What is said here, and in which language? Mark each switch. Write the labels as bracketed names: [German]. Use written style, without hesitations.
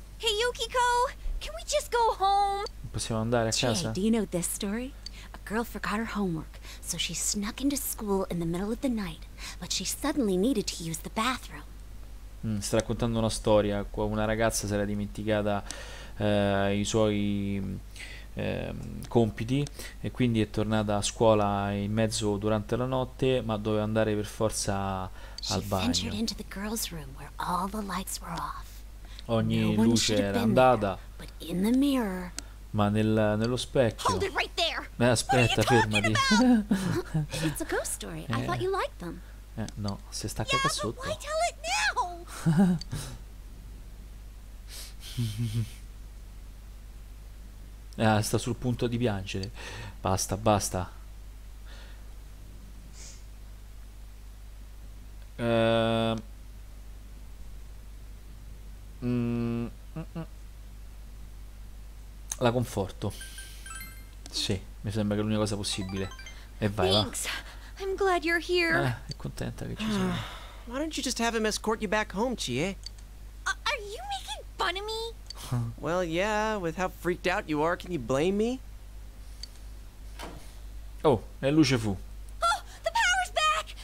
[English] Hey Yukiko, can we just go home? [Italian] Possiamo andare a casa? [English] Jay, do you know this story? Girl forgot her homework, so she snuck into school in the middle of the night, but she suddenly needed to use the bathroom. [Italian] Sta raccontando una storia. Una ragazza si era dimenticata i suoi compiti e quindi è tornata a scuola in mezzo durante la notte, ma doveva andare per forza al bagno. [English] She ventured into the girls' room where all the lights were off. [Italian] Ogni luce era andata. [English] But in the mirror. [Italian] Ma nello specchio. [English] Hold it right there. [Italian] Aspetta, fermati. [English] It's a ghost story. I thought you liked them. [Italian] No, si sta cacca [English] yeah, [Italian] sotto. [English] Why tell it now? [Italian] sta sul punto di piangere. Basta, basta. La conforto. Sì, mi sembra che è l'unica cosa possibile. E vai, [English] thanks. [Italian] Va. [English] I'm glad you're here. [Italian] È contenta che ci sia. [English] Why don't you just have him escort you back home, Chie? Are you making fun of me? Well, yeah, with how freaked out you are, can you blame me? [Italian] Oh, e luce fu. [English] Oh, the power's back!